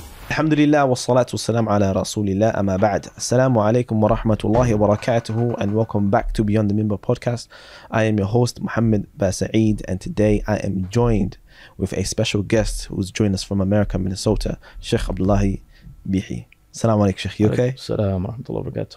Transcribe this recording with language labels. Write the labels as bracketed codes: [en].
[ar] الحمد لله والصلاة والسلام على رسول الله أما بعد السلام عليكم ورحمة الله وبركاته [en] and welcome back to Beyond the Mimba podcast. I am your host Muhammad Basaid and today I am joined with a special guest who's joined us from America, Minnesota, Shaykh Abdullahi Bihi. [ar] السلام عليكم شيخ, [en] you okay? [ar] السلام ورحمة الله وبركاته.